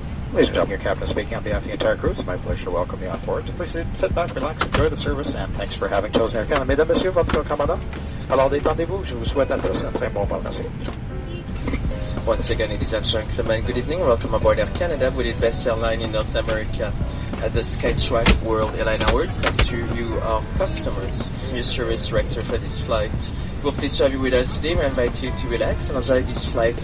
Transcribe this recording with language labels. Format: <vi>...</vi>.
<en>Please welcome your captain speaking on behalf of the entire crew. It's my pleasure to welcome you on board. Please sit back, relax, enjoy the service, and thanks for having chosen Air Canada.</en> <fr>Mesdames, Messieurs, votre commandant, alors détendez-vous, je vous souhaite à tous un très bon vol. Merci.</fr> <en>Once again, ladies and gentlemen, good evening. Welcome aboard Air Canada, with the best airline in North America at the SkyTrax World Airline Awards. Thanks to you, our customers, new service director for this flight. We're pleased to have you with us today. We invite you to relax and enjoy this flight.</en>